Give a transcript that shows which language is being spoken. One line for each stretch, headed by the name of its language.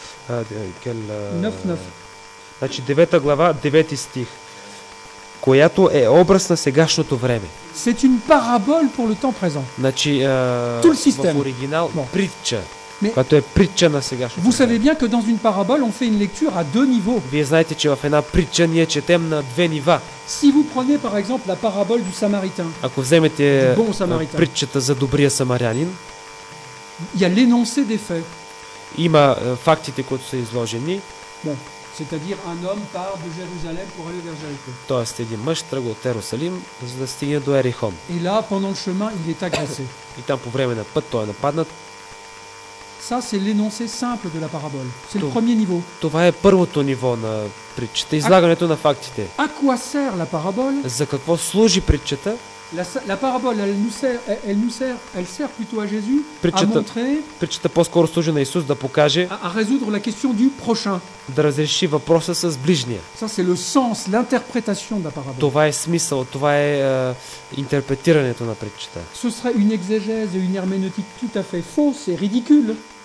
Bulgarian: 9:9. Значи 9 глава, 9 стих, която е образ на сегашното време.
French: C'est une parabole pour le temps présent.
Bulgarian: Значи
French: tout le système.
Bulgarian: В оригинал притча.
French: Mais quand tu es
Bulgarian: притча на сегашното.
French: Vous savez bien que dans une parabole on fait une lecture à deux niveaux.
Bulgarian: Вие знаете, че в една притча ние четем на две нива.
French: Si vous prenez par exemple la parabole du samaritain.
Bulgarian: Ако вземете притчата за добрия самарянин.
French: Il y a l'énoncé des faits.
Bulgarian: Има фактите, които са изложени.
French: Bon, c'est-à-dire un homme part de Jérusalem pour aller vers Jéricho.
Bulgarian: Тоест един мъж тръгва от Йерусалим, за да стигне до Ерихон.
French: Et là pendant le chemin, il est agressé.
Bulgarian: И там по време на път той е нападнат.
French: Ça, c'est l'énoncé simple de la parabole. C'est le premier niveau.
Bulgarian: Това е първото ниво на притчата, излагането на фактите.
French: À quoi sert la parabole?
Bulgarian: За какво служи притчата?
French: La parabole, elle sert plutôt à Jésus,
Bulgarian: притчата,
French: à montrer.
Bulgarian: Притчата по-скоро служи на Исус да покаже.
French: À résoudre la question du prochain.
Bulgarian: Да разреши въпроса с ближния.
French: Ça, c'est le sens, l'interprétation de la parabole.
Bulgarian: Това е смисъл, това е интерпретирането на притчата.
French: Ce serait une exégèse et une herméneutique tout à fait fausse et ridicule.